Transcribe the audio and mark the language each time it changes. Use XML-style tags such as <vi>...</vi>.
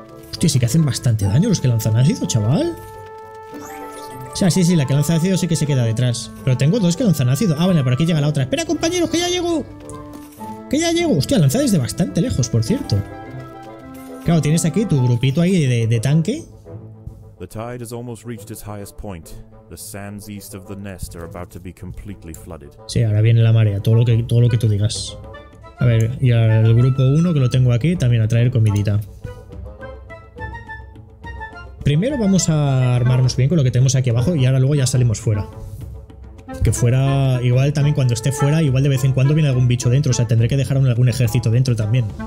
<es>Hostia, sí que hacen bastante daño los que lanzan ácido, chaval. O sea, sí, sí, la que lanza ácido sí que se queda detrás. Pero tengo dos que lanzan ácido. Ah, vale, por aquí llega la otra. ¡Espera, compañeros, que ya llego! ¡Que ya llego! Hostia, lanza desde bastante lejos, por cierto. Claro, tienes aquí tu grupito ahí de tanque.</es> <en>The tide has almost reached its highest point. The sands east of the nest are about to be completely flooded.</en> <es>Sí, ahora viene la marea, todo lo que tú digas. A ver, y al grupo 1 que lo tengo aquí también a traer comidita. Primero vamos a armarnos bien con lo que tenemos aquí abajo y ahora luego ya salimos fuera. que fuera, igual también cuando esté fuera, igual de vez en cuando viene algún bicho dentro, o sea, tendré que dejar algún ejército dentro también.</es>